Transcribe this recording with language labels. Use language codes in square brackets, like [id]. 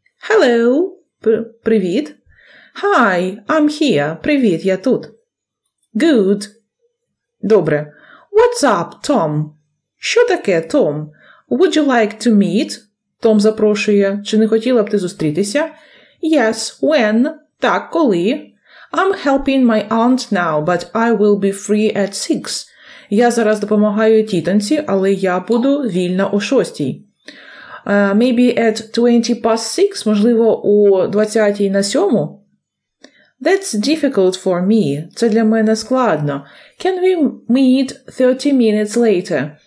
[en] Hello, [uk] привіт. [en] Hi, I'm here. [uk] Привіт, я тут. [en] Good. [uk] Добре. [en] What's up, Tom? [uk] Що таке, [en] Tom? Would you like to meet? [uk] Tom запрошує. Чи не хотіла б ти зустрітися? [en] Yes, when? [uk] Так, коли? [en] I'm helping my aunt now, but I will be free at 6. [uk] Я зараз допомагаю тітонці, але я буду вільна о 6. [en] Maybe at 20 past 6, [uk] можливо, о 20 на 7. [en] That's difficult for me. [uk] Це для мене складно. [en] Can we meet 30 minutes later?